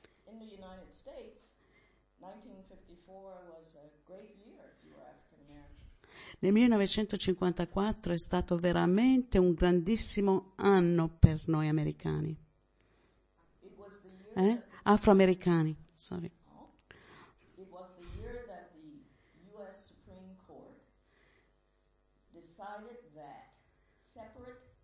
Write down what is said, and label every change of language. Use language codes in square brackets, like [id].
[en] In the United States, 1954 was a great year if you were African American. [it] Nel 1954 è stato veramente un grandissimo anno per noi americani. [en] It was the year [it] afroamericani, sorry. [en] It was the year that the US Supreme Court decided that separate